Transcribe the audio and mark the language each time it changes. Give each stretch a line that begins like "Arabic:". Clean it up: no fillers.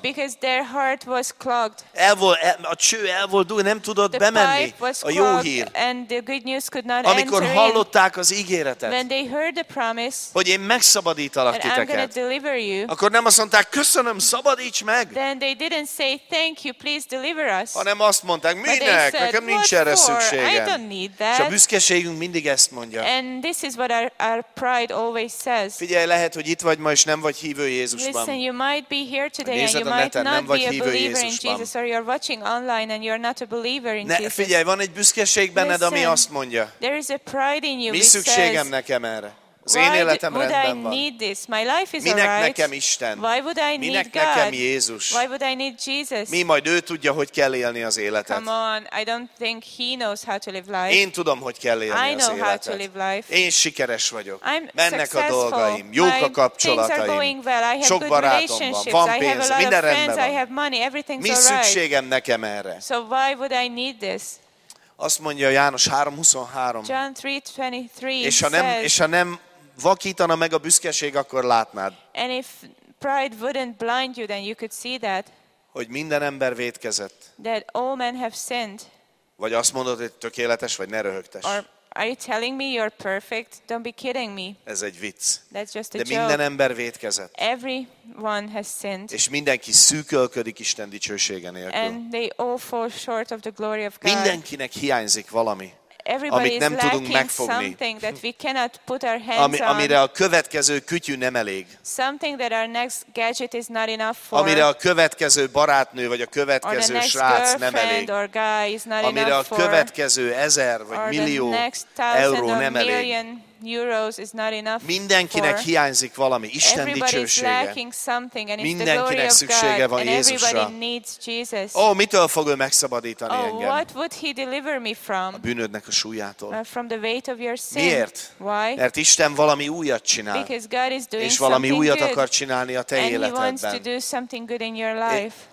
English: Because their heart was clogged.
Hungarian: A cső el volt dugítva, nem tudott
English: the
Hungarian: bemenni a jó hír.
English: And the good news could not
Hungarian: amikor
English: enter
Hungarian: hallották
English: in.
Hungarian: Az ígéretet.
English: When they heard the promise.
Hungarian: Hogy én megszabadítalak
English: that
Hungarian: titeket.
English: I'm gonna deliver you.
Hungarian: Akkor nem azt mondták, köszönöm, szabadíts meg.
English: Then they didn't say thank you, please deliver us.
Hungarian: Hanem azt mondták, minek, nekem nincs erre szükségem. És a büszkeségünk mindig ezt mondja.
English: And this is what our pride always says.
Hungarian: Figyelj, lehet, hogy itt vagy ma, és nem vagy hívő Jézusban.
English: Listen, you might be here today and you might not be a believer in Jesus, or you're watching online and you're not a believer in Jesus.
Hungarian: Figyelj, van egy büszkeség benned, ami azt mondja.
English: There is a pride in you.
Hungarian: Mi szükségem nekem erre? Az én életem rendben van.
English: Why would I need this? My life is
Hungarian: minek
English: alright.
Hungarian: Nekem Isten?
English: Why would I
Hungarian: minek
English: need
Hungarian: nekem
English: God?
Hungarian: Jézus?
English: Why would I need Jesus?
Hungarian: Mi majd ő tudja, hogy kell élni az életet.
English: Come on, I don't think he knows how to live life.
Hungarian: Én tudom, hogy kell élni
English: I know
Hungarian: az
English: how
Hungarian: életet.
English: To live life.
Hungarian: Én sikeres vagyok.
English: I'm
Hungarian: mennek
English: successful.
Hungarian: A dolgaim, jók a kapcsolataim.
English: Things are going well. I have
Hungarian: sok
English: good
Hungarian: barátom
English: relationships.
Hungarian: Van pénz, minden rendben
English: friends,
Hungarian: van.
English: I have money, everything's
Hungarian: mi
English: alright.
Hungarian: Szükségem nekem erre?
English: So why would I need this?
Hungarian: Azt mondja János 3:23.
English: John 3:23.
Hungarian: És ha nem vakítana meg a büszkeség, akkor látnád.
English: And if pride wouldn't blind you, then you could see that.
Hungarian: Hogy minden ember vétkezett.
English: That all men have sinned.
Hungarian: Vagy azt mondod, hogy tökéletes, vagy ne röhögtess.
English: Or are you telling me you're perfect? Don't be kidding me.
Hungarian: Ez egy vicc.
English: That's just a
Hungarian: de
English: joke.
Hungarian: De minden ember vétkezett.
English: Everyone has sinned.
Hungarian: És mindenki szűkölködik Isten dicsősége nélkül.
English: And they all fall short of the glory of God.
Hungarian: Mindenkinek hiányzik valami.
English: Everybody
Hungarian: amit nem
English: is
Hungarian: tudunk megfogni.
English: Something that we cannot put our hands on.
Hungarian: Amire a következő kütyű nem elég.
English: Something that our next gadget is not enough for.
Hungarian: Amire a következő barátnő vagy a következő srác nem elég.
English: Or guy is not
Hungarian: amire
English: enough
Hungarian: a következő
English: for.
Hungarian: Ezer vagy
English: or
Hungarian: millió
English: the next
Hungarian: euró nem elég.
English: Million euros is not enough.
Hungarian: Mindenkinek
English: for.
Hungarian: Hiányzik valami, Isten
English: everybody
Hungarian: dicsősége.
English: Is lacking something and
Hungarian: mindenkinek
English: the glory
Hungarian: szüksége
English: of God,
Hungarian: van Jézusra.
English: Oh,
Hungarian: mitől fog ő megszabadítani
English: oh,
Hungarian: engem?
English: What would he deliver me from?
Hungarian: A bűnödnek a súlyától.
English: From the weight of your sin.
Hungarian: Miért?
English: Why?
Hungarian: Mert Isten valami újat csinál.
English: Because God is doing
Hungarian: és valami
English: something
Hungarian: újat
English: good.
Hungarian: Akar csinálni a te
English: and
Hungarian: életedben.
English: And he wants to do something good in your life.